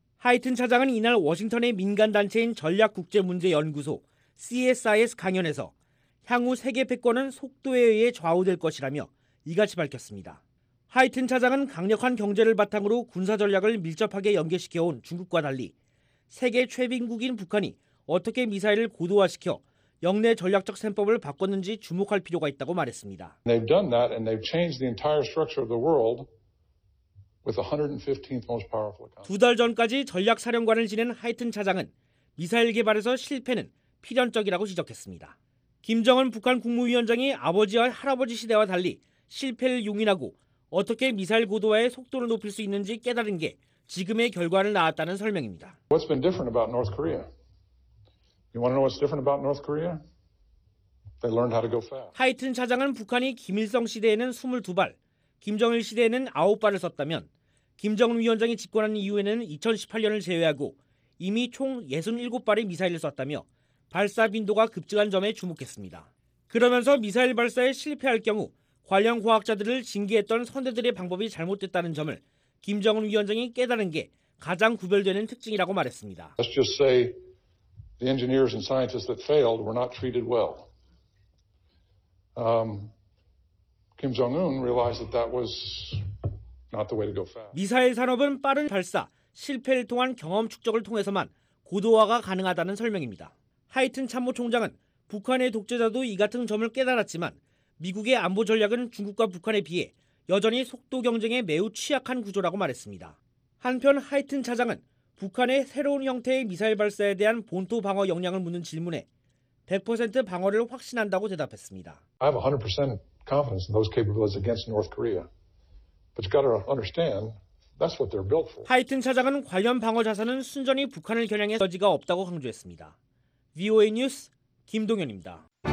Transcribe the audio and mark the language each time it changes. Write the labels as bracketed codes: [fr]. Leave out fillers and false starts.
[ko] 하이튼 차장은 이날 워싱턴의 민간단체인 전략국제문제연구소 CSIS 강연에서 향후 세계 패권은 속도에 의해 좌우될 것이라며 이같이 밝혔습니다. 하이튼 차장은 강력한 경제를 바탕으로 군사 전략을 밀접하게 연계시켜온 중국과 달리 세계 최빈국인 북한이 어떻게 미사일을 고도화시켜 역내 전략적 셈법을 바꿨는지 주목할 필요가 있다고 말했습니다. [en] They've done that and they've changed the entire structure of the world with the 115th most powerful economy. [ko] 두 달 전까지 전략 사령관을 지낸 하이튼 차장은 미사일 개발에서 실패는 필연적이라고 지적했습니다. 김정은 북한 국무위원장이 아버지와 할아버지 시대와 달리 실패를 용인하고 어떻게 미사일 고도화의 속도를 높일 수 있는지 깨달은 게 지금의 결과를 낳았다는 설명입니다. [en] What's been different about North Korea? You want to know what's different about North Korea? They learned how to go fast. [ko] 하이튼 차장은 북한이 김일성 시대에는 22발, 김정일 시대에는 9발을 썼다면 김정은 위원장이 집권한 이후에는 2018년을 제외하고 이미 총 67발의 미사일을 썼다며 발사 빈도가 급증한 점에 주목했습니다. 그러면서 미사일 발사에 실패할 경우 관련 과학자들을 징계했던 선대들의 방법이 잘못됐다는 점을 김정은 위원장이 깨달은 게 가장 구별되는 특징이라고 말했습니다. [en] Let's just say the engineers and scientists that failed were not treated well. Kim Jong-un realized that that was not the way to go fast. [ko] 미사일 산업은 빠른 발사, 실패를 통한 경험 축적을 통해서만 고도화가 가능하다는 설명입니다. 하이튼 참모총장은 북한의 독재자도 이 같은 점을 깨달았지만 미국의 안보 전략은 중국과 북한에 비해 여전히 속도 경쟁에 매우 취약한 구조라고 말했습니다. 한편 하이튼 차장은 북한의 새로운 형태의 미사일 발사에 대한 본토 방어 역량을 묻는 질문에 100% 방어를 확신한다고 대답했습니다. [en] I have 100% confidence in those capabilities against North Korea. But you got to understand that's what they're built for. [ko] 하이튼 차장은 관련 방어 자산은 순전히 북한을 겨냥해 여지가 없다고 강조했습니다. VOA 뉴스 김동현입니다.